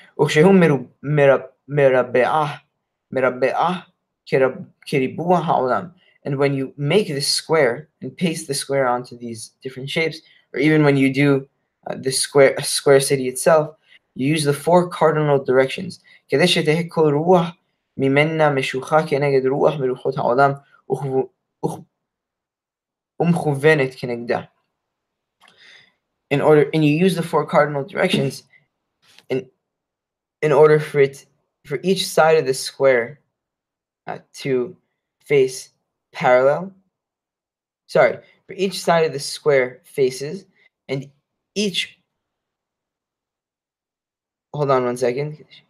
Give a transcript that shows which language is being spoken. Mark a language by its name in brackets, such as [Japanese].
[English] And when you make this square and paste the square onto these different shapes, or even when you do the square, a square city itself, you use the four cardinal directions. [Hebrew] כדי שתהיה כל רוח ממנה משוחה כנגד רוח מרוחות העולם ומכוונת כנגדה. [English] In order, and you use the four cardinal directions in order for each side of the square to face parallel, sorry, for each side of the square faces, and each, hold on one second,